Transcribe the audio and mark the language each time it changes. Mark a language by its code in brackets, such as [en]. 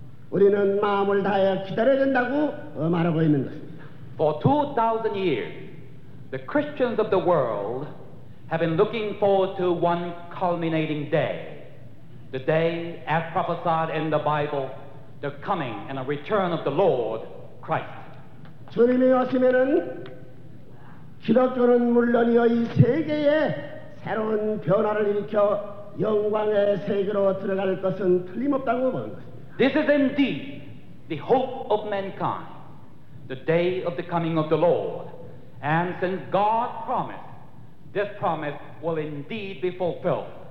[en] For 2,000 years, the Christians of the world have been looking forward to one culminating day, the day as prophesied in the Bible, the coming and the return of the Lord Christ. [ko] 주님이 오시면은 기독교는 물론이요 이 세계에 새로운 변화를 일으켜 영광의 세계로 들어갈 것은 틀림없다고 보는 것입니다. [en] This is indeed the hope of mankind, the day of the coming of the Lord. And since God promised, this promise will indeed be fulfilled.